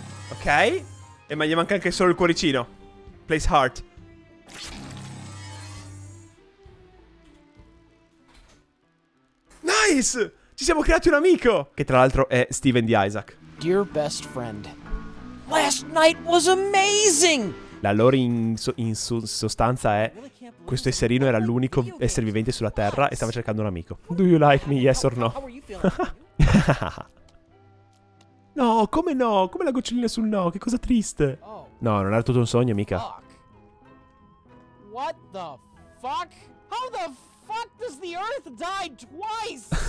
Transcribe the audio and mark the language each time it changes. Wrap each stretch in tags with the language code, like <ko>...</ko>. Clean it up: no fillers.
<it>Ok. E ma gli manca anche solo il cuoricino.</it> <en>Place heart.</en> <it>Nice! Ci siamo creati un amico! Che tra l'altro è Steven di Isaac.</it> <en>Dear best friend, last night was amazing!</en> <it>La lore in sostanza è: questo esserino era l'unico essere vivente sulla Terra e stava cercando un amico.</it> <en>Do you like me, yes or no?</en> <it>No, come no? Come la gocciolina sul no? Che cosa triste. No, non era tutto un sogno, mica.</it> <en>What the fuck? How the fuck does the Earth die twice?</en>